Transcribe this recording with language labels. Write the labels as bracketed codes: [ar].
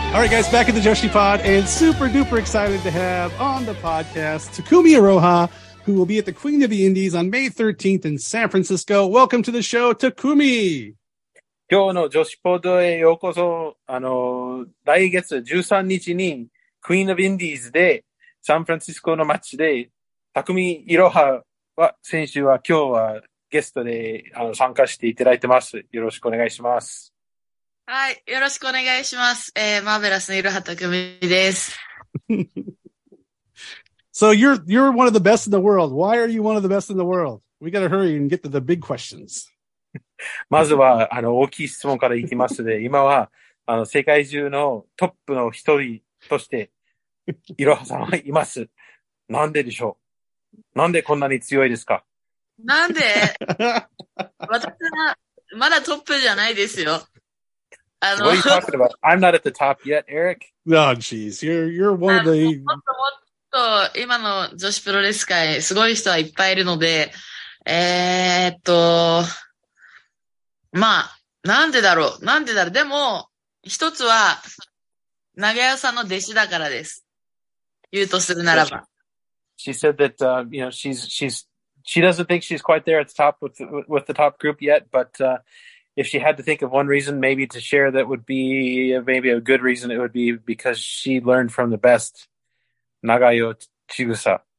[en] Guys, back at the Joshi Pod, and super duper excited to have on the podcast Takumi Iroha, who will be at the Queen of the Indies on May 13th in San Francisco. Welcome to the show, Takumi. [ja] 今日のジョシポッドへようこそ。来月 13日 に Queen of Indies で San Francisco の街で Takumi Iroha は先週は今日はゲストで参加していただいてます。よろしくお願いします。はい、よろしくお願いします。マーベラスのいろはたくみです。 [en] So you're one of the best in the world. Why are you one of the best in the world? We gotta hurry and get to the big questions. [ja] まずは、大きい質問からいきますので、今は、世界中のトップの一人として、いろはさんはいます。なんででしょう？なんでこんなに強いですか？なんで？私は、まだトップじゃないですよ。 [en] What are you talking about? I'm not at the top yet, Eric. No, oh, jeez. You're one of the... [ja] もっと今の女子プロレス界、すごい人はいっぱいいるので、まあ、なんでだろう。でも、一つは、長屋さんの弟子だからです。言うとするならば。 [en] She said that, you know, she doesn't think she's quite there at the top with the top group yet, but, if she had to think of one reason maybe to share, that would be maybe a good reason. It would be because she learned from the best, Nagayo Chigusa.